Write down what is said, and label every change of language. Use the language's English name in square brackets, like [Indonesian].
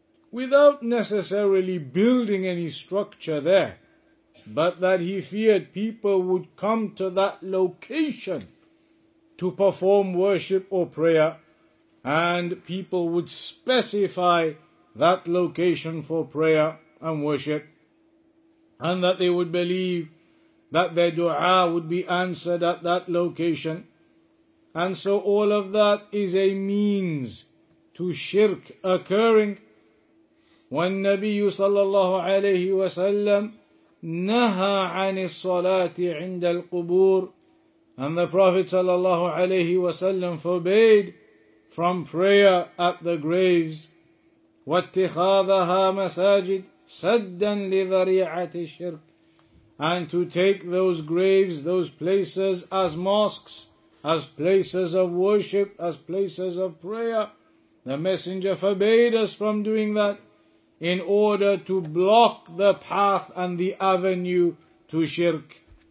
[English] without necessarily building any structure there, but that he feared people would come to that location to perform worship or prayer, and people would specify that location for prayer and worship, and that they would believe that their dua would be answered at that location. And so all of that is a means to shirk occurring. [Arabic] والنبي صلى الله عليه وسلم نهى عن الصلاة عند القبور. [English] And the Prophet صلى الله عليه وسلم forbade from prayer at the graves. [Arabic] واتخاذها مساجد سَدًّا لِذَرِيعَةِ الشِّرْكِ. [English] And to take those graves, those places as mosques, as places of worship, as places of prayer, the Messenger forbade us from doing that in order to block the path and the avenue to shirk.